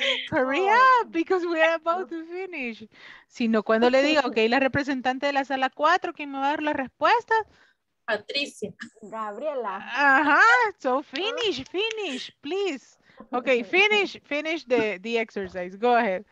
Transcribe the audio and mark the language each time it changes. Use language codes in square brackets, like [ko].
[en] Hurry up, because we are about to finish. [es] Si no, cuando le diga, ok, la representante de la sala 4, ¿quién me va a dar la respuesta? Patricia. Gabriela. Ajá, [en] so finish, please. Ok, finish the exercise. Go ahead.